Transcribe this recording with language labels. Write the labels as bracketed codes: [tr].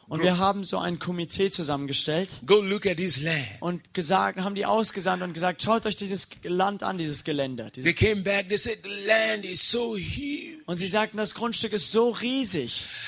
[de] Und wir haben so ein Komitee zusammengestellt. [en] Go look at this land. [de] Und haben die ausgesandt und gesagt, schaut euch dieses Land an, dieses Gelände. [en] They came back, they said, the land is so huge. [de] Und sie sagten, das Grundstück ist so riesig.